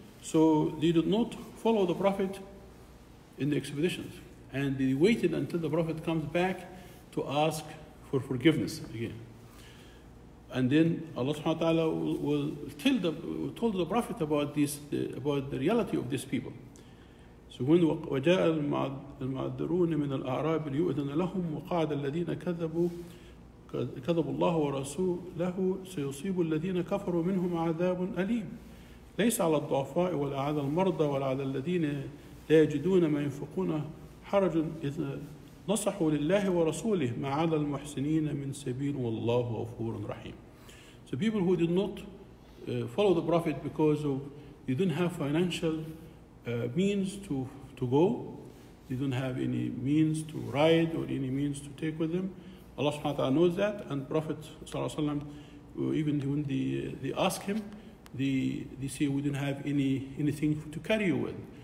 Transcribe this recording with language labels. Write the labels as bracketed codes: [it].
[en] So they did not follow the Prophet in the expeditions. And they waited until the Prophet comes back to ask for forgiveness again. And then Allah Subhanahu wa Taala told the Prophet about this, about the reality of these people. So when [ar] وجاء المعذرون من الأعراب ليؤذن لهم وقعد الذين كذبوا كذب الله ورسوله سيصيب الذين كفروا منهم عذاب أليم ليس على الضعفاء ولا على المرضى ولا على الذين لا يجدون ما ينفقون حرج إذ نصحوا لله ورسوله ما على المحسنين من سبيل والله غفور رحيم. [en] So people who did not follow the Prophet because of they didn't have financial means to go, they don't have any means to ride or any means to take with them. Allah subhanahu wa ta'ala knows that, and Prophet sallallahu alaihi wasallam, even when they ask him, they say we didn't have anything to carry you with.